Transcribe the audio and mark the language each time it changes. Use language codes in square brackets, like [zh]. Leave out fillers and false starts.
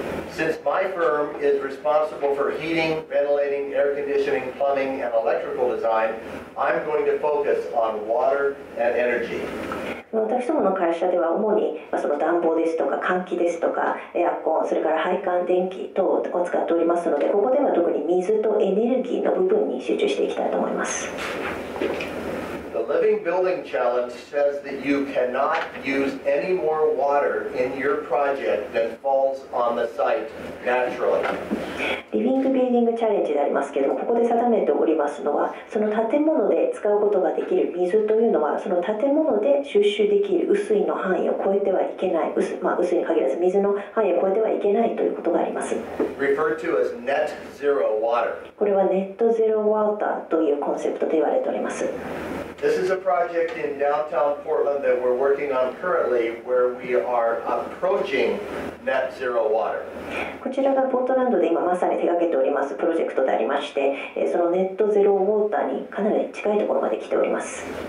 [en] Since my firm is responsible for heating, ventilating, air conditioning, plumbing, and electrical design, I'm going to focus on water and energy. [ja] 私どもの会社では主に、まあ、その暖房ですとか換気ですとかエアコン、それから配管電気等を使っておりますので、ここでは特に水とエネルギーの部分に集中していきたいと思います。 [en] The Living Building Challenge says that you cannot use any more water in your project than falls on the site naturally. [ja] リビングビルディングチャレンジでありますけど、ここで定めておりますのは、その建物で使うことができる水というのは、その建物で収集できる雨水の範囲を超えてはいけない、まあ雨水に限らず水の範囲を超えてはいけないということがあります。 [en] Referred to as net zero water. [ja] これはネットゼロワーターというコンセプトで言われております。 [en] This is a project in downtown Portland that we're working on currently where we are approaching net zero water. [ja] こちらがポートランドで今まさに手掛けておりますプロジェクトでありまして、そのネットゼロウォーターにかなり近いところまで来ております。